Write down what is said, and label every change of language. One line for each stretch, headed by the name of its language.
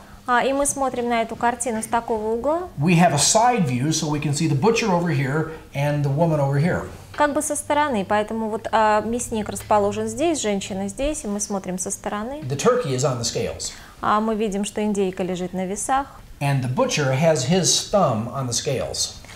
Russian: и мы смотрим на эту картину с такого угла.
English: We have a side view, so we can see the butcher over here and the woman over here.
Russian: Как бы со стороны, поэтому вот мясник расположен здесь, женщина здесь, и мы смотрим со стороны.
English: The turkey is on the scales.
Russian: Мы видим, что индейка лежит на весах.
English: And the butcher has his thumb on the scales.